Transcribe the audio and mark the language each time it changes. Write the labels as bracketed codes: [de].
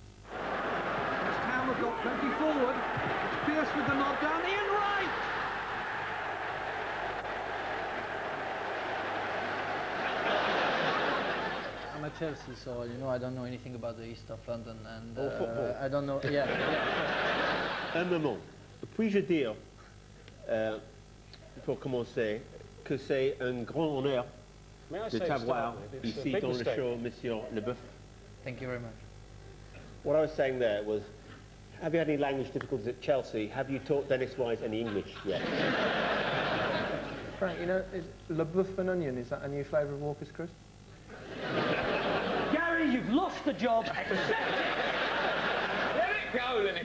[en] West Ham have got plenty forward. It's Pierce with the knock down. Ian Wright! I'm a Chelsea, so, you know, I don't know anything about the East of London. And, or football. I don't know, yeah. [fr] Un moment. Puis je dire, pour commencer, que c'est un grand honneur de t'avoir ici dans le show, Monsieur LeBeouf. [en] Thank you very much. What I was saying there was, have you had any language difficulties at Chelsea? Have you taught Dennis Wise any English yet? Frank, you know, is LeBeouf and onion, is that a new flavour of Walker's Crisp? Gary, you've lost the job. Let it go, Lineker.